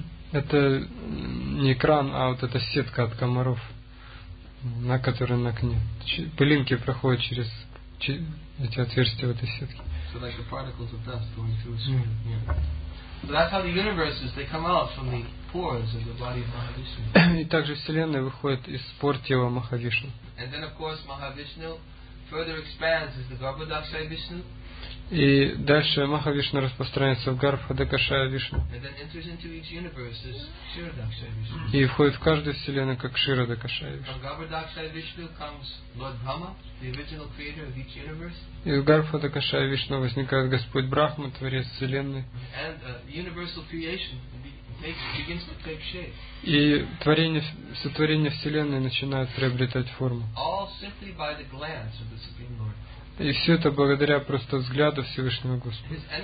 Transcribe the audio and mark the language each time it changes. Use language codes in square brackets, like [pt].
[ru] Это не экран, а вот эта сетка от комаров, на которой на окне. Пылинки проходят через эти отверстия в этой сетке. [en] So like the particles of dust going through a screen. Mm. Yeah. So that's how the universes, they come out from the pores of the body of Mahavishnu. [ru] И также вселенная выходит из пор тела Махавишны. [en] And then of course Mahavishnu further expands as the Garbhodakshaya Vishnu. [ru] И дальше Махавишна распространяется в Гарбхадакшая Вишну. [en] And then enters into each universe as Ширадакшая Вишну. [ru] И входит в каждую вселенную как Ширадакшая Вишну. [en] From Garbhodakshaya Vishnu comes Lord Brahma, the original creator of each universe. [ru] Из Гарбхадакшая Вишну возникает Господь Брахма, творец вселенной. [en] And universal creation begins to take shape. [ru] И творение, сотворение вселенной начинает приобретать форму. [en] All simply by the glance of the Supreme Lord. [ru] И все это благодаря просто взгляду Всевышнего Господа.